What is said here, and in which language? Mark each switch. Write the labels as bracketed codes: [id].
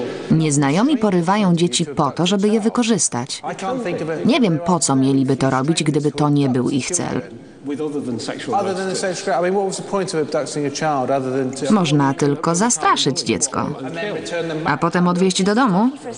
[pl] Nieznajomi porywają dzieci po to, żeby je wykorzystać. Nie wiem, po co mieliby to robić, gdyby to nie był ich cel. [en] with other than sexual abduction. Other than sexual abduction. I mean, what was the point of abducting a child other than to... [pl] Można tylko zastraszyć dziecko, a potem odwieźć do domu.